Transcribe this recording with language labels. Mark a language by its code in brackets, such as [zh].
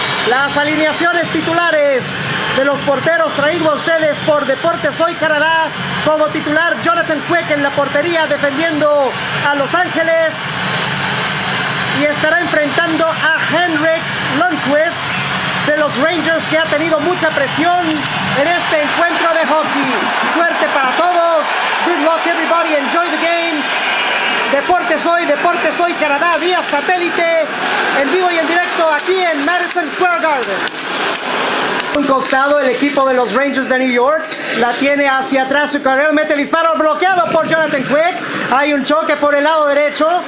[es] Las alineaciones titulares de los porteros traídos a ustedes por Deportes Hoy Canadá. Como titular, Jonathan Quick en la portería defendiendo a Los Ángeles. Y estará enfrentando a Henrik Lundqvist de los Rangers, que ha tenido mucha presión en este encuentro de hockey. Suerte para todos. [en] Good luck everybody, enjoy the game. [es] Deportes Hoy Canadá, vía satélite, en vivo y en directo aquí en Madison Square Garden. Un costado, el equipo de los Rangers de New York la tiene hacia atrás. Su carril mete el disparo bloqueado por Jonathan Quick. Hay un choque por el lado derecho.